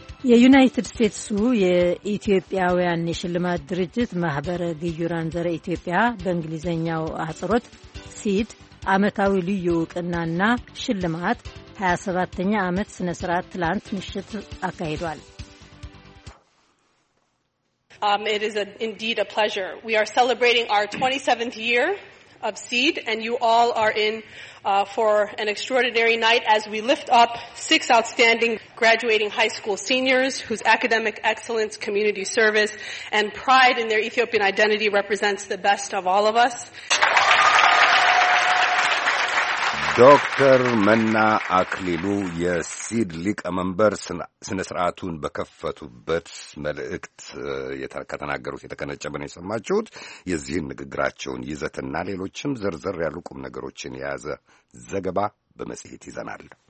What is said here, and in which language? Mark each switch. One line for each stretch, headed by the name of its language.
Amharic: የዩናይትድ ስቴትሱ የኢትዮጵያውያን የሽልማት ድርጅት ማኅበረ ግዩራን ዘረ ኢትዮጵያ በእንግሊዝኛው አጽሮት ሲድ ዓመታዊ ልዩ ዕውቅናና ሽልማት 27ኛ ዓመት ሥነ ሥርዓት ትላንት ምሽት አካሂዷል።
English: It is indeed a pleasure. We are celebrating our 27th year of seed and you all are in for an extraordinary night as we lift up six outstanding graduating high school seniors whose academic excellence, community service and pride in their Ethiopian identity represents the best of all of us.
Amharic: ዶክተር መና አክሊሉ የሲድ ሊቀመንበር ስነ ስርዓቱን በከፈቱበት መልእክት ከተናገሩት የተቀነጨበ ነው የሰማችሁት። የዚህን ንግግራቸውን ይዘትና ሌሎችም ዝርዝር ያሉ ቁም ነገሮችን የያዘ ዘገባ በመጽሔት ይዘናል።